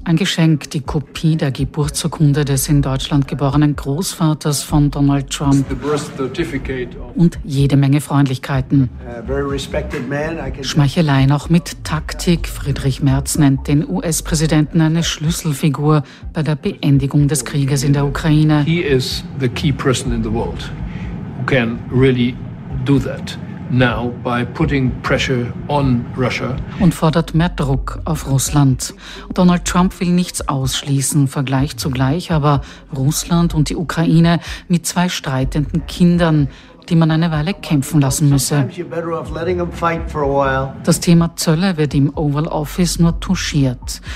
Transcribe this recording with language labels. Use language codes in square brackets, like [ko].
[de] Ein Geschenk, die Kopie der Geburtsurkunde des in Deutschland geborenen Großvaters von Donald Trump und jede Menge Freundlichkeiten. Schmeicheleien auch mit Taktik. Friedrich Merz nennt den US-Präsidenten eine Schlüsselfigur bei der Beendigung des Krieges in der Ukraine. [en] He is the key person in the world who can really do that now by putting pressure on Russia. [de] Und fordert mehr Druck auf Russland. Donald Trump will nichts ausschließen, vergleicht zugleich aber Russland und die Ukraine mit zwei streitenden Kindern, die man eine Weile kämpfen lassen müsse. Das Thema Zölle wird im Oval Office nur touchiert.